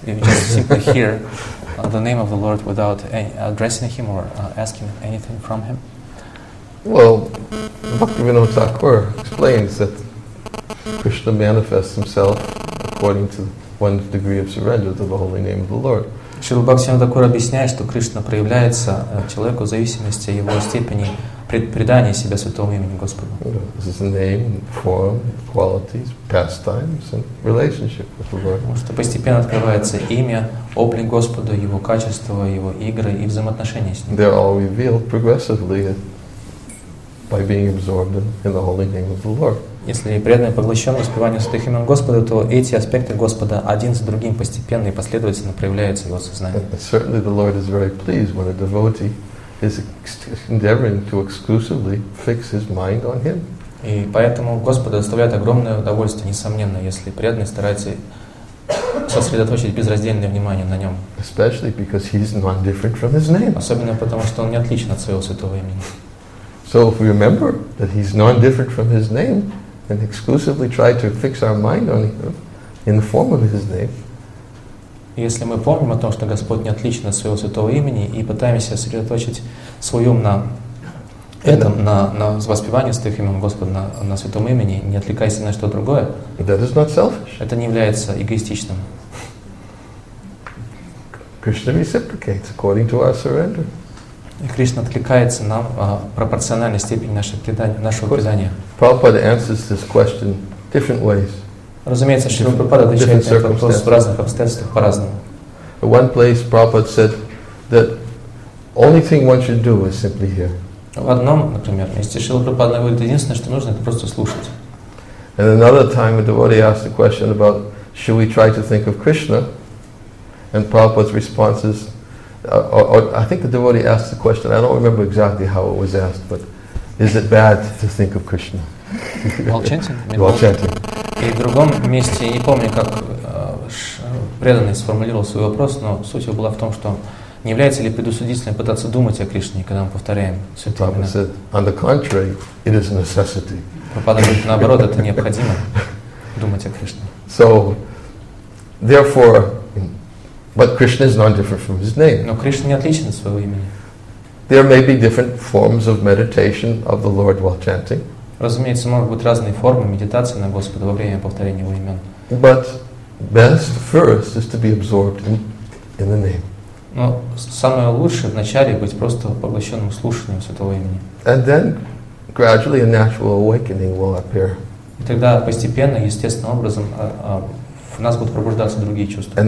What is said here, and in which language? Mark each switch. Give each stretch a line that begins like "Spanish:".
English: If you just simply hear the name of the Lord without addressing Him or asking anything from Him? Well, Bhaktivinoda Thakur explains that Krishna manifests Himself according to one degree of surrender to the holy name of the Lord.
Russian: Шрила Бхактивинода Такура объясняет, что Кришна проявляется человеку в зависимости от его степени предание себя святому имени Господу.
English: This is the name, form, qualities, pastimes, and relationship with the Lord.
Russian: Потому что постепенно открывается имя, облик Господа, Его качества, Его игры и взаимоотношения с Ним.
English: They're all revealed progressively by being absorbed in the holy name of the Lord.
Russian: Если преданный поглощен воспеванием святых имен Господа, то эти аспекты Господа один за другим постепенно и последовательно проявляются в его сознании.
English: Certainly the Lord is very pleased when a devotee is endeavoring to exclusively fix his mind on him.
Russian: И поэтому Господу доставляет огромное удовольствие, несомненно, если преданный старается сосредоточить безраздельное внимание на нем.
English: Especially because he's not different from his name.
Russian: Особенно потому, что он не отличен от своего святого имени.
English: So if we remember that he's not different from his name, and exclusively try to fix our mind on him in the form of his name.
Russian: Если мы помним о том, что Господь не отличен от своего святого имени, и пытаемся сосредоточить свой ум на этом, на воспевании святых имен Господа, на святом имени, не отвлекаясь на что другое,
English: that is not selfish.
Russian: Это не является эгоистичным.
English: Krishna reciprocates according to our surrender.
Russian: И Кришна откликается нам пропорциональной степени нашего предания.
English: Prabhupada answers this question different ways.
Russian: Разумеется, Шрила Прабхупада отвечает на этот вопрос в разных обстоятельствах по-разному.
English: At one place Prabhupada said that only thing one should do is simply hear.
Russian: В одном, например, месте Шрила Прабхупада говорит, единственное, что нужно, это просто слушать.
English: And another time a devotee asked a question about should we try to think of Krishna? And Prabhupada's response is I think the devotee asked the question. I don't remember exactly how it was asked, but is it bad to think of Krishna? While chanting.
Russian: И в другом месте я не помню, как преданный сформулировал свой вопрос, но суть его была в том, что не является ли предусудительным пытаться думать о Кришне, когда мы повторяем святые имена.
English: Said, on the contrary, it is a necessity.
Russian: Прабхупада говорит, наоборот, это необходимо думать о Кришне.
English: So, therefore. But Krishna is not different from his name.
Russian: Но Кришна не отличен от своего имени.
English: There may be different forms of meditation of the Lord while chanting.
Russian: Разумеется, могут быть разные формы медитации на Господа во время повторения его имен.
English: But best first is to be absorbed in the name.
Russian: Но самое лучшее вначале быть просто поглощенным слушанием святого имени.
English: And then gradually a natural awakening will appear.
Russian: И тогда постепенно, естественным образом, у нас будут пробуждаться другие чувства.